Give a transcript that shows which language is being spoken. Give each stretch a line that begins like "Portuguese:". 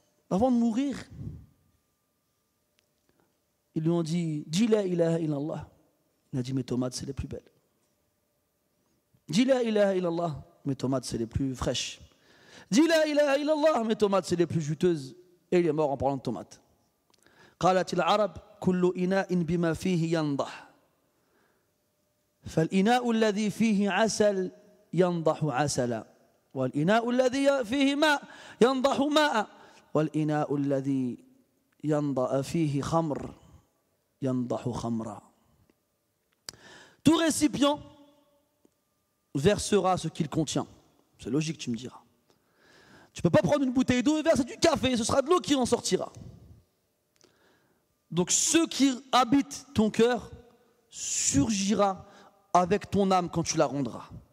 French: Avant de mourir, ils lui ont dit, dis la ilaha illallah. Il a dit, mes tomates, c'est les plus belles.
Arabic: Dis la ilaha illallah,
French: mes tomates c'est les plus fraîches. Dis la ilaha illallah, mes tomates c'est les plus juteuses. Et il est mort en parlant de tomates.
Arabic: قالت العرب كل إناء بما فيه ينضح فالإناء الذي فيه عسل ينضح عسلا والإناء الذي فيه ماء ينضح ماء والإناء الذي ينضح فيه خمر ينضح خمرا.
French: Tout récipient versera ce qu'il contient. C'est logique, tu me diras. Tu peux pas prendre une bouteille d'eau et verser du café, ce sera de l'eau qui en sortira. Donc ce qui habite ton cœur surgira avec ton âme quand tu la rendras.